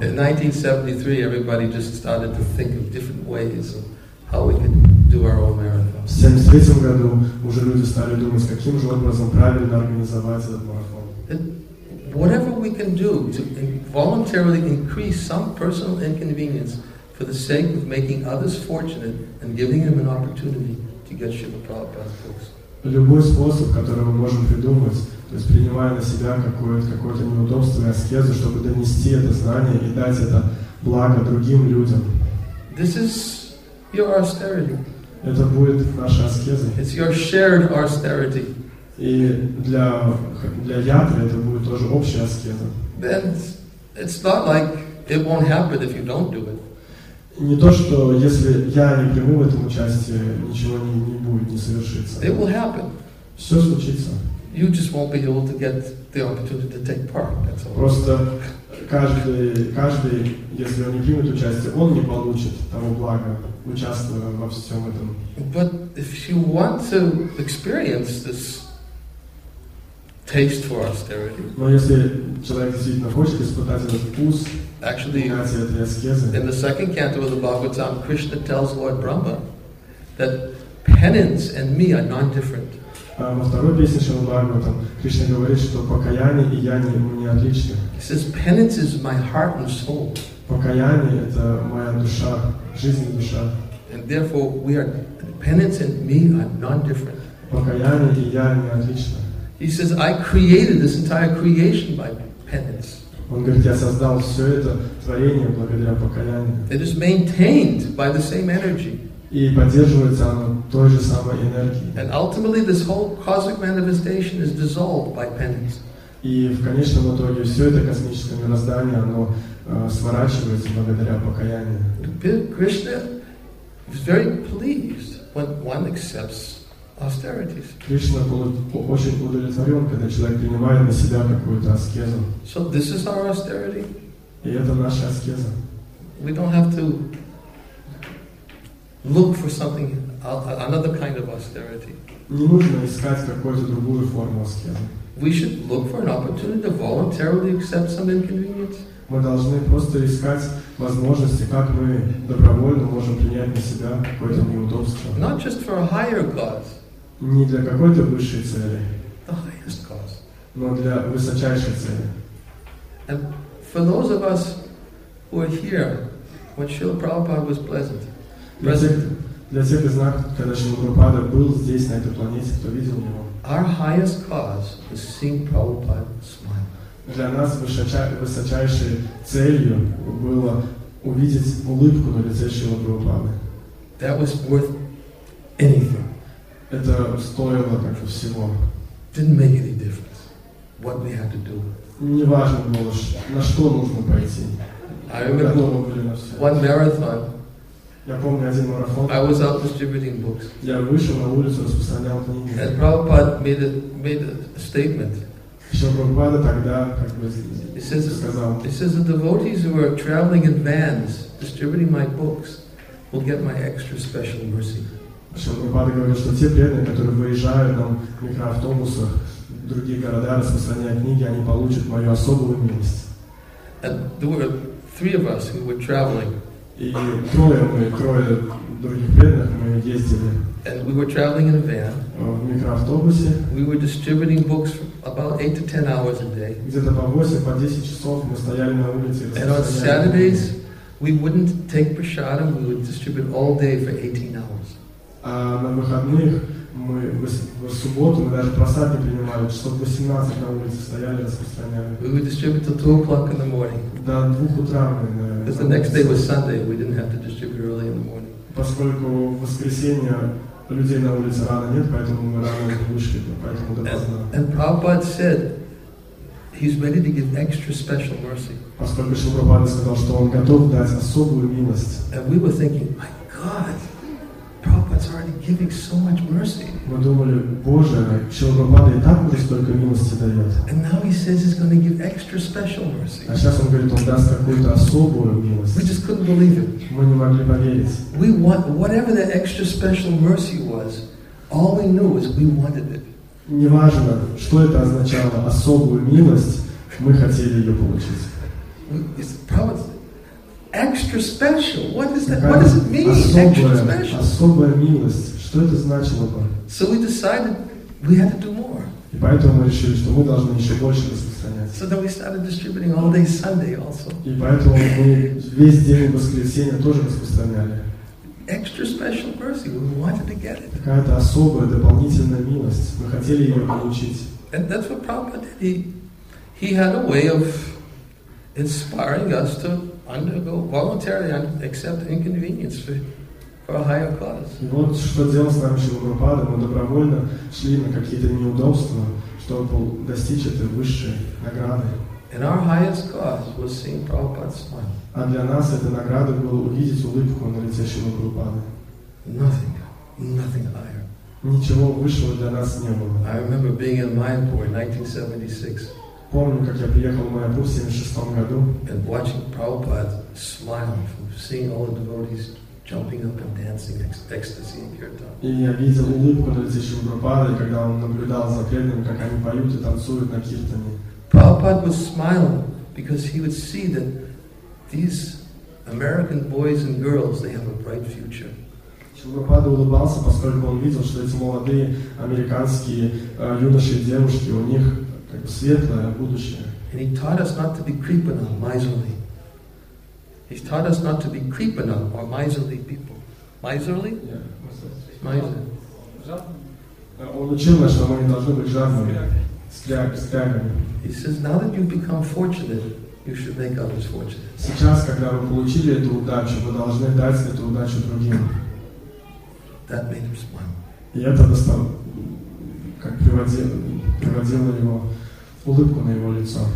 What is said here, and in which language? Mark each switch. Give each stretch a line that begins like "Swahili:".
English: In 1973, everybody just started to think of different ways of how we could do our own marathon.
Russian: В 73-м году уже люди стали думать, каким же образом правильно организовать этот марафон.
English: Whatever we can do to voluntarily increase some personal inconvenience for the sake of making others fortunate and giving them an opportunity to get Srila Prabhupada's books.
Russian: Любой способ, который мы можем придумать, то есть принимая на себя какое-то неудобство и аскезу, чтобы донести это знание и дать это благо другим людям.
English: This is your austerity.
Russian: Это будет наша аскеза.
English: It's your shared austerity.
Russian: И для ядра это будет тоже общая аскеза.
English: Then it's not like it won't happen if you don't do it.
Russian: Не то, что если я не приму в этом участие, ничего не будет, не совершится.
English: It will happen.
Russian: Все случится.
English: You just won't be able to get the opportunity to take part. That's all.
Russian: Просто каждый, если он не примет участие, он не получит того блага, участвуя во всем этом.
English: But if you want to experience this taste for austerity.
Russian: Но если человек действительно хочет испытать этот вкус,
English: actually, in the second canto of the Bhagavatam, Krishna tells Lord Brahma that penance and me are non-different.
Russian: Во второй песне Шрила Бхагаватам Кришна говорит, что покаяние и яни не отличны.
English: He says, penance is my heart and soul.
Russian: Покаяние — это моя душа, жизнь и душа.
English: And therefore, we are penance and me are non-different.
Russian: Покаяние и яни не отличны.
English: He says, I created this entire creation by penance.
Russian: Он говорит, я создал все это творение благодаря покаянию.
English: It is maintained by the same energy.
Russian: И поддерживается оно той же самой энергией.
English: And ultimately, this whole cosmic manifestation is dissolved by penance.
Russian: И в конечном итоге все это космическое мироздание, оно сворачивается благодаря покаянию.
English: Krishna is very pleased when one accepts austerities.
Russian: Кришна был очень удовлетворен, когда человек принимает на себя какую-то аскезу.
English: So this is our austerity.
Russian: И это наша аскеза.
English: We don't have to look for something, another kind of austerity.
Russian: Не нужно искать какую-то другую форму аскезы.
English: We should look for an opportunity to voluntarily accept some inconvenience.
Russian: Мы должны просто искать возможности, как мы добровольно можем принять на себя какое-то неудобство.
English: Not just for a higher cause.
Russian: Не для какой-то высшей цели,
English: the highest cause.
Russian: Но для высочайшей цели.
English: And for those of us who are here, when Srila Prabhupada was pleasant,
Russian: для тех из нас, когда Шрила Прабхупада был здесь, на этой планете, кто видел его,
English: our highest cause is seeing Prabhupada smile.
Russian: Для нас высочайшей целью было увидеть улыбку на лице Шрила Прабхупады.
English: That was worth anything.
Russian: Это стоило как бы всего.
English: Didn't make any difference what we had to do.
Russian: Не важно было, на что нужно пойти.
English: I remember one marathon
Russian: Я помню один марафон.
English: I was out distributing books.
Russian: Я вышел на улицу, распространял книги.
English: And Prabhupada made a statement.
Russian: Прабхупада тогда как бы сказал.
English: He says the devotees who are traveling in vans distributing my books will get my extra special mercy.
Russian: Прабхупада говорит, что те преданные, которые выезжают на микроавтобусах в другие города, распространяя книги, они получат мою особую милость.
English: And there were three of us who were traveling.
Russian: И трое других преданных мы ездили.
English: And we were traveling in a van.
Russian: В микроавтобусе.
English: We were distributing books for about 8 to 10 hours a day.
Russian: Где-то по 8-10 часов мы стояли на улице.
English: And on Saturdays we wouldn't take prasadam. We would distribute all day for 18 hours.
Russian: А на выходных мы в субботу мы даже просад не принимали. Часов 18 на улице стояли, распространяли.
English: We would distribute till 2 o'clock in the morning.
Russian: До 2 утра мы.
English: Because the next day was Sunday, we didn't have to distribute early in the morning.
Russian: Поскольку в воскресенье людей на улице рано нет, поэтому мы рано вышли, поэтому допоздна.
English: And Prabhupada said he's ready to give extra special mercy.
Russian: Поскольку Шрила Прабхупада сказал, что он готов дать особую милость.
English: And we were thinking, my God, Prabhupada's already giving so much mercy.
Russian: Мы думали, Боже, Шрила Прабхупада и так уже столько милости дает.
English: And now he says he's going to give extra special mercy.
Russian: А сейчас он говорит, он даст какую-то особую милость.
English: We just couldn't believe it.
Russian: Мы не могли поверить.
English: We want whatever that extra special mercy was. All we knew is we wanted it.
Russian: Неважно, что это означало, особую милость, мы хотели ее получить.
English: Extra special. What is that? What does it mean? Extra special.
Russian: Особая милость. Что это значило бы?
English: So we decided we had to do more.
Russian: И поэтому мы решили, что мы должны еще больше распространять.
English: So then we started distributing all day Sunday also.
Russian: И поэтому мы весь день воскресенья тоже распространяли.
English: Extra special mercy. We wanted to get it.
Russian: Какая-то особая дополнительная милость. Мы хотели ее получить.
English: And that's what Prabhupada did. He had a way of inspiring us to undergo voluntarily accept inconvenience for a higher cause.
Russian: Вот что делал с нами Шрила Прабхупада. Мы добровольно шли на какие-то неудобства, чтобы достичь этой высшей награды.
English: And our highest cause was seeing Prabhupada's smile.
Russian: А для нас эта награда была увидеть улыбку на лице Шрила Прабхупады.
English: Nothing higher.
Russian: Ничего высшего для нас не было.
English: I remember being in Mayapur in 1976.
Russian: Помню, как я приехал в Майапур в 76 году.
English: And watching Prabhupada smile from seeing all the devotees jumping up and dancing ecstasy in kirtan.
Russian: И я видел улыбку на лице Шрилы Прабхупады, когда он наблюдал за преданными, как они поют и танцуют на киртане.
English: Prabhupada was smiling because he would see that these American boys and girls, they have a bright future.
Russian: Шрила Прабхупада улыбался, поскольку он видел, что эти молодые американские юноши и девушки, у них как бы светлое будущее.
English: And he taught us not to be creeping on miserly. He taught us not to be creeping on or miserly people. Miserly? Yeah.
Russian: Он учил нас, что мы не должны быть жадными. Стрягами.
English: He says, now that you become fortunate, you should make others fortunate.
Russian: Сейчас, когда вы получили эту удачу, вы должны дать эту удачу другим.
English: That made him smile.
Russian: И это достал, как приводило его улыбку на его лицо.